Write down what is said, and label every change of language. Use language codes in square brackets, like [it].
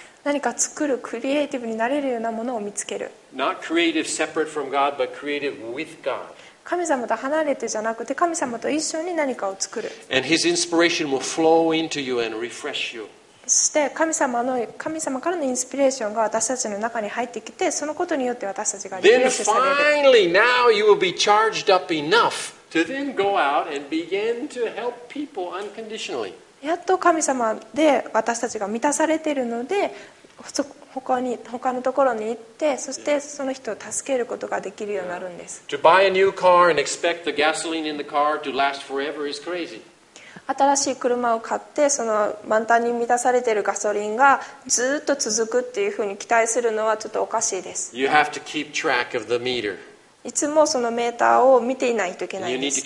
[ja] 何か作る、クリエイティブになれるようなものを見つける。 [en] Not creative separate from God, but creative with God. [ja] 神様と離れてじゃなくて神様と一緒に何かを作る。 [en] And his inspiration will flow into you and refresh you. [ja] そして神様からのインスピレーションが私たちの中に入ってきて、そのことによって私たちがリフレッシュされる。 [en] Then finally, now you will be charged up enough to then go out and begin to help people unconditionally. [ja] やっと神様で私たちが満たされているので、他のところに行って、そしてその人を助けることができるようになるんです。 [en] To buy a new car and expect the gasoline in the car to last forever is crazy. [ja] 新しい車を買って、その満タンに満たされているガソリンがずっと続くっていうふうに期待するのはちょっとおかしいです。 [en] You have to keep track of the meter. [ja] いつもそのメーターを見ていないといけないです。